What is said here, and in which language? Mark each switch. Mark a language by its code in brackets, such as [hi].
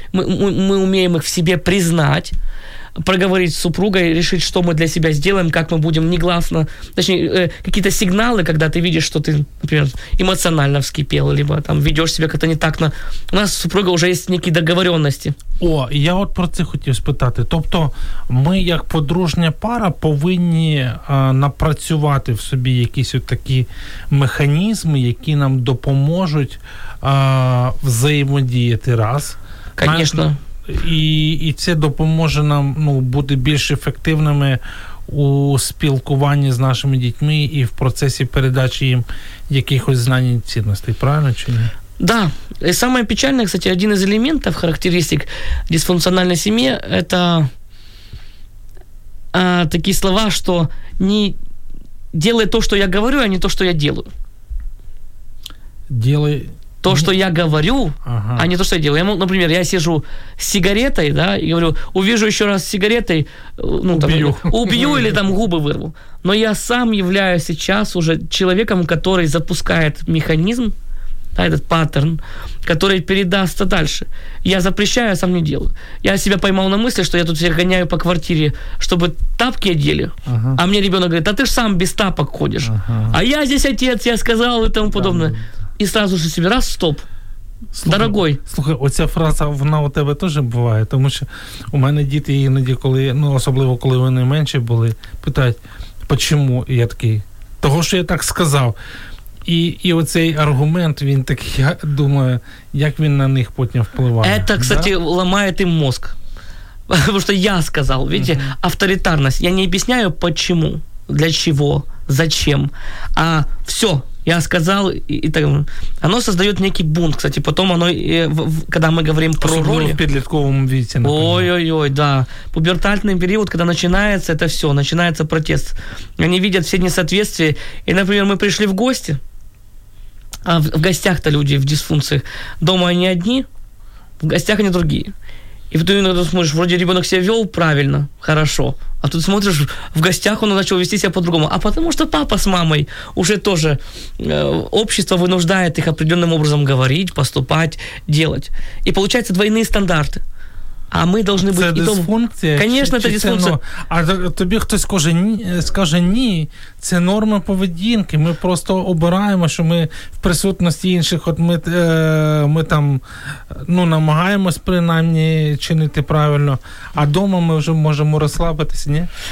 [ru] Мы умеем их в себе признать, проговорить с супругой, решить, что мы для себя сделаем, как мы будем негласно... Точнее, какие-то сигналы, когда ты видишь, что ты, например, эмоционально вскипел, либо там ведешь себя как-то не так. Но у нас с супругой уже есть некие договоренности. [uk] О, я от про це хотів спитати. Тобто ми, як подружня пара, повинні напрацювати в собі якісь от такі механізми, які нам допоможуть взаємодіяти раз. Звісно. І це допоможе нам, ну, бути більш ефективними у спілкуванні з нашими дітьми і в процесі передачі їм якихось знань і цінностей. Правильно чи ні? [ru] Да. И самое печальное, кстати, один из элементов, характеристик дисфункциональной семьи, это такие слова, что не делай то, что я говорю, а не то, что я делаю. Делай... То, что я говорю, ага. А не то, что я делаю. Я, например, я сижу с сигаретой, да, и говорю: увижу еще раз с сигаретой, ну, убью. Там, убью или там губы вырву. Но я сам являюсь сейчас уже человеком, который запускает механизм, да, этот паттерн, который передастся дальше. Я запрещаю, а сам не делаю. Я себя поймал на мысли, что я тут всех гоняю по квартире, чтобы тапки одели, ага. А мне ребенок говорит: «А ты же сам без тапок ходишь». Ага. «А я здесь отец, я сказал» и тому подобное. Да, и сразу же себе раз — стоп. [uk] Слухай, дорогой. Слухай, оця фраза, вона у тебе теж буває, тому що у мене діти іноді, коли, ну, особливо коли вони менші були, питають: «Чому?» І я такий: «Того, що я так сказав». І оцей аргумент, він так, я думаю, як він на них потім впливає. Це, кстати, да? Ламає їм мозок. Тому що я сказав, видите, авторитарність. Я не об'ясняю, чому, для чого, зачем, а все. [ru] Я сказал, и так, оно создает некий бунт, кстати, потом оно, когда мы говорим про роли... В подлетковом виде, например. Ой-ой-ой, да. Пубертальный период, когда начинается это все, начинается протест. Они видят все несоответствия. И, например, мы пришли в гости, а в гостях-то люди в дисфункциях. Дома они одни, в гостях они другие. И ты иногда смотришь, вроде ребенок себя вел правильно, хорошо, а тут смотришь, в гостях он начал вести себя по-другому. А потому что папа с мамой уже тоже, общество вынуждает их определенным образом говорить, поступать, делать. И получаются двойные стандарты. [uk] А ми повинні бути і дом. Дисфункція? Конечно, чи, це дисфункція. А тобі хтось каже ні, це норма поведінки. Ми просто обираємо, що ми в присутності інших, от ми там, ну, намагаємось принаймні чинити правильно, а вдома ми вже можемо розслабитися, ні?